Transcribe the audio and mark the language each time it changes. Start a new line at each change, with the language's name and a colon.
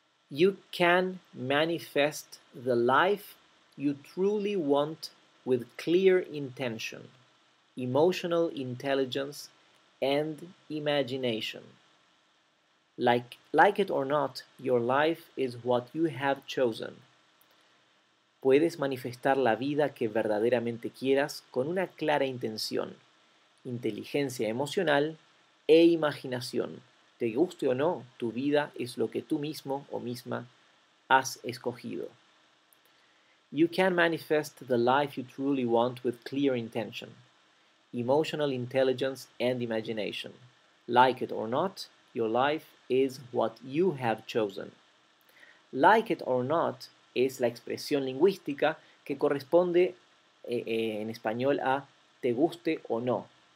English: You can manifest the life you truly want with clear intention, emotional intelligence and imagination. Like it or not, your life is what you have chosen.
Spanish: Puedes manifestar la vida que verdaderamente quieras con una clara intención, inteligencia emocional e imaginación. Te guste o no, tu vida es lo que tú mismo o misma has escogido.
English: You can manifest the life you truly want with clear intention, emotional intelligence and imagination. Like it or not, your life is what you have chosen. Like it or not
Spanish: es la expresión lingüística que corresponde en español a te guste o no.